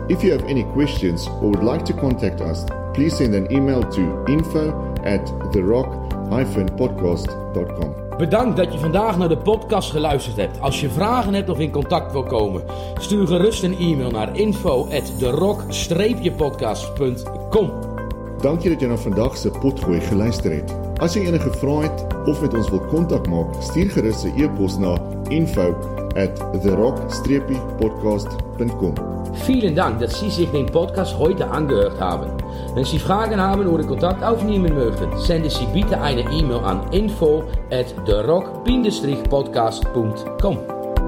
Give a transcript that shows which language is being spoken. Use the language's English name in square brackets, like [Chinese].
[English] If you have any questions or would like to contact us, please send an email to info@therock-podcast.com. [Dutch] Bedankt dat je vandaag naar de podcast geluisterd hebt. Als je vragen hebt of in contact wil komen, stuur gerust een e-mail naar info@therock-podcast.com. [Afrikaans] Dank je dat je naar vandaag se potgooi geluister het. As jy enige vrae het of met ons wil contact maak, stuur gerust 'n e-pos na info@therock-podcast.com. [German] Vielen Dank dat Sie sich den Podcast heute angehört haben. Wenn Sie Fragen haben oder Kontakt aufnehmen möchten, senden Sie bitte eine E-Mail an info@therock-podcast.com.